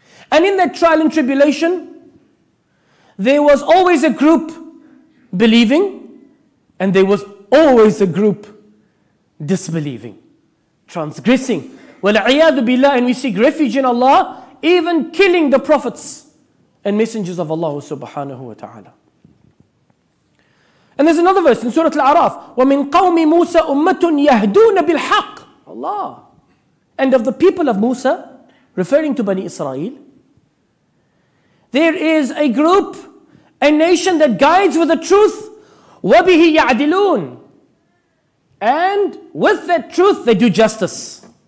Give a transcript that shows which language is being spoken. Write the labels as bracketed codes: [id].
[en] And in that trial and tribulation, there was always a group believing, and there was always a group disbelieving, transgressing. [ar] وَالْعِيَادُ بِاللَّهِ [en] And we seek refuge in Allah, even killing the prophets and messengers of Allah subhanahu wa ta'ala. And there's another verse in Surah Al-A'raf. [ar] وَمِنْ قَوْمِ مُوسَى أُمَّةٌ يَهْدُونَ بِالْحَقِّ Allah. [en] And of the people of Musa, referring to Bani Israel, there is a group, a nation that guides with the truth. [ar] وَبِهِ يَعْدِلُونَ [en] And with that truth, they do justice.